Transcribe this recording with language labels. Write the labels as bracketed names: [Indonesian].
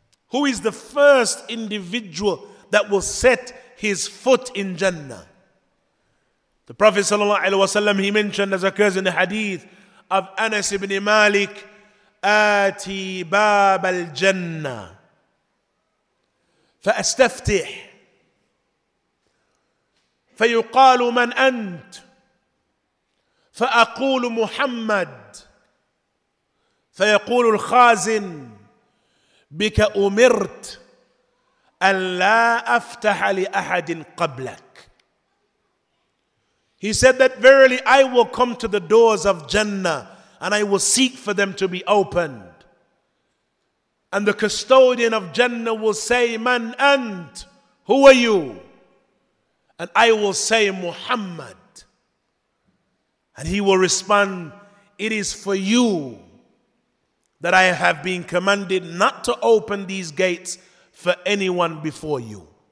[English] Who is the first individual that will set his foot in Jannah? The Prophet sallallahu alaihi wasallam, he mentioned, as occurs in the hadith of Anas ibn Malik, [Arabic] "Ati bab al Jannah, fa'astaftih." فيقال من أنت فأقول محمد فيقول الخازن بك أمرت أن لا أفتح لأحد قبلك. [English] He said that verily I will come to the doors of Jannah and I will seek for them to be opened. And the custodian of Jannah will say, [Arabic] من أنت, [English] who are you? And I will say, Muhammad. And he will respond, it is for you that I have been commanded not to open these gates for anyone before you.